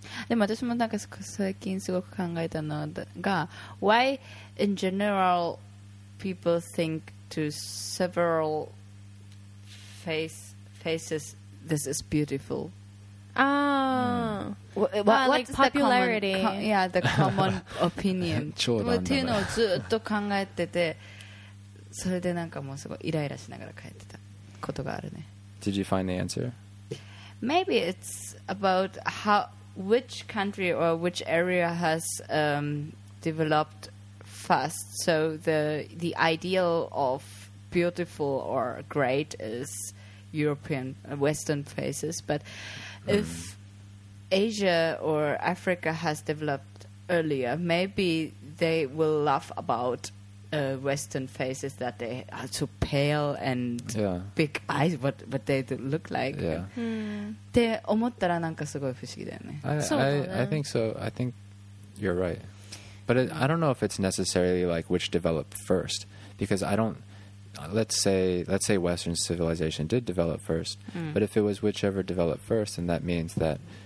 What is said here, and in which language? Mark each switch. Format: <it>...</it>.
<ja>でも私もなんか最近すごく考えたのが、</ja> <en>why in general people think to several faces this is beautiful? Ah. What like popularity? The common opinion. っ</en> <ja>ていうのをずっと考えてて、それでなんかもうすごいイライラしながら帰ってたことがあるね。</ja> <en>Did you find the answer? Maybe it's about how which country or which area has developed fast. So the ideal of beautiful or great is European Western faces, but if Asia or Africa has developed earlier, maybe they will laugh about Western faces that they are so pale and big eyes, what they look like. Yeah. Hmm.</en> <ja>って思ったらなんかすごい不思議だよね。</ja> <en>I think so. I think you're right. But I don't know if it's necessarily like which developed first, because I don't... Let's say Western civilization did develop first, but if it was whichever developed first, then that means that...</en>